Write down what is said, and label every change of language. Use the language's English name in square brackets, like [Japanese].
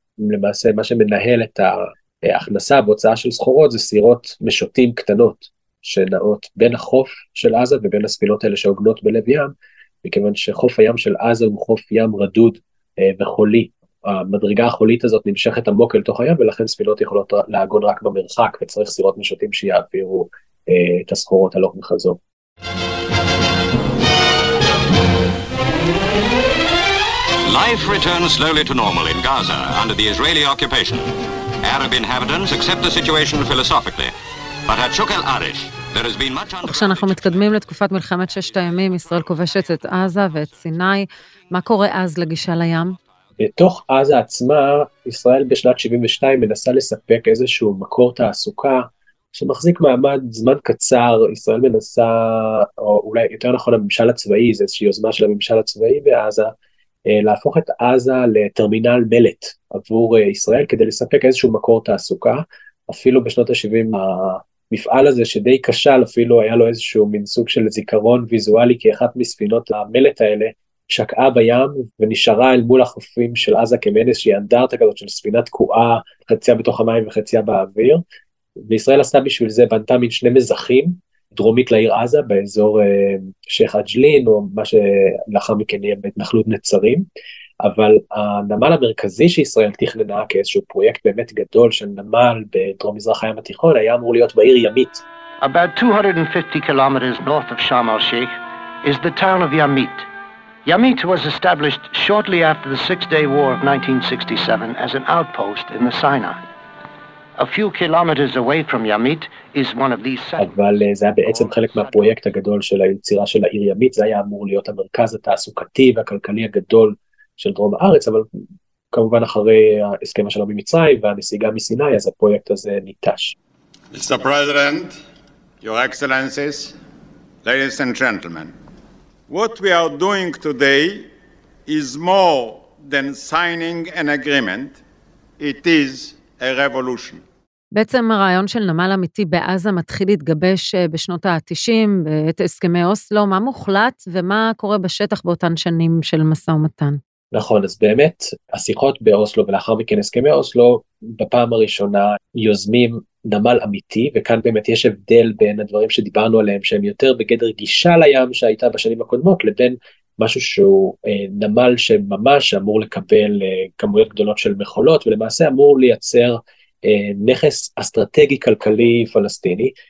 [Hebrew] למעשה מה שמנהל את ההכנסה והוצאה של סחורות, זה סירות משוטים קטנות, שנעות בין החוף של עזה ובין הספינות האלה שעוגנות בלב ים, מכיוון שחוף הים של עזה הוא חוף ים רדוד וחולי, המדרגה החולית הזאת נמשכת עמוק אל תוך הים, ולכן ספינות יכולות לעגון רק במרחק, וצריך סירות משוטים שיעבירו את הסחורות הלוך וחזור. [English] Life returns slowly to normal in Gaza under the Israeli occupation. Arab inhabitants accept the situation philosophically. But at Shuk al-Arish, there has been much under... [Hebrew] כשאנחנו מתקדמים לתקופת מלחמת ששת הימים, ישראל כובשת את עזה ואת סיני, מה קורה אז לגישה לים? בתוך עזה עצמה, ישראל בשנת 72 מנסה לספק איזשהו מקור תעסוקה שמחזיק מעמד זמן קצר. ישראל מנסה, או אולי יותר נכון הממשל הצבאי, זה איזושהי יוזמה של הממשל הצבאי בעזה, להפוך את עזה לטרמינל מלט עבור ישראל, כדי לספק איזשהו מקור תעסוקה. אפילו בשנות ה-70 המפעל הזה שדי קשל, אפילו היה לו איזשהו מין סוג של זיכרון ויזואלי, כי אחת מספינות המלט האלה שקעה בים ונשארה אל מול החופים של עזה כמעין איזושהי אנדרטה כזאת של ספינה תקועה, חציה בתוך המים וחציה באוויר. וישראל עשתה בשביל זה, בנתה מין שני מזכים דרומית לעיר עזה, באזור שייח אג'לין, או מה שלאחר מכן יהיה בהתנחלות נצרים. אבל הנמל המרכזי שישראל תכננה כאיזשהו פרויקט באמת גדול של נמל בדרום מזרח הים התיכון, היה אמור להיות בעיר ימית. [English] About 250 kilometers north of Sharm el-Sheikh is the town of Yamit. Yamit was established shortly after the Six-Day War of 1967 as an outpost in the Sinai. A few kilometers away from Yamit is one of these sites. [Hebrew] אבל זה היה בעצם חלק מהפרויקט הגדול של היצירה של העיר ימית, זה היה אמור להיות המרכז התעסוקתי והכלכלי הגדול של דרום הארץ, אבל כמובן אחרי הסכם השלום עם מצרים והנסיגה מסיני, אז הפרויקט הזה ניטש. [English] Mr. President, Your Excellencies, ladies and gentlemen, what we are doing today is more than signing an agreement, it is a revolution. [Hebrew] בעצם הרעיון של נמל אמיתי בעזה מתחיל להתגבש בשנות ה-90, את הסכמי אוסלו, מה מוחלט ומה קורה בשטח באותן שנים של מסע ומתן? נכון, אז באמת השיחות באוסלו ולאחר מכן הסכמי אוסלו בפעם הראשונה יוזמים נמל אמיתי, וכאן באמת יש הבדל בין הדברים שדיברנו עליהם שהם יותר בגדר גישה לים שהייתה בשנים הקודמות, לבין משהו שהוא נמל שממש אמור לקבל כמויות גדולות של מכולות, ולמעשה אמור לייצר נכס אסטרטגי כלכלי פלסטיני.